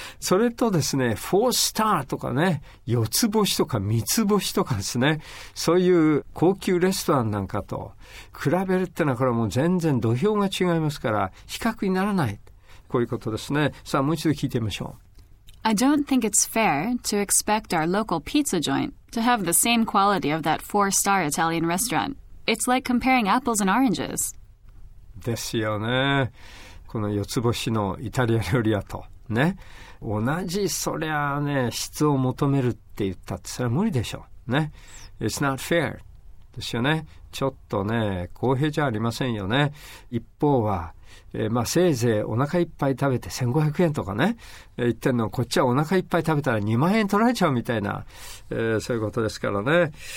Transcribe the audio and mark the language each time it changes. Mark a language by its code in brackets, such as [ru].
[ja] それとですね、4スターとかね、4つ星とか3つ星とかですね、そういう高級レストランなんかと比べるってのは、これはもう全然土俵が違いますから、比較にならない、こういうことですね。さあ、もう一度聞いてみましょう。 [en] I don't think it's fair to expect our local pizza joint to have the same quality of that 4-star Italian restaurantIt's like comparing apples and oranges. [ja] ですよね。この四つ星のイタリア料理屋とね、同じそりゃね質を求めるって言ったって、それは無理でしょうね。 [en] It's not fair. [ja] ですよね。ちょっとね、公平じゃありませんよね。一方は、まあ、せいぜいお腹いっぱい食べて1500円とかね、言ってんの、こっちはお腹いっぱい食べたら2万円取られちゃうみたいな、そういうことですからね。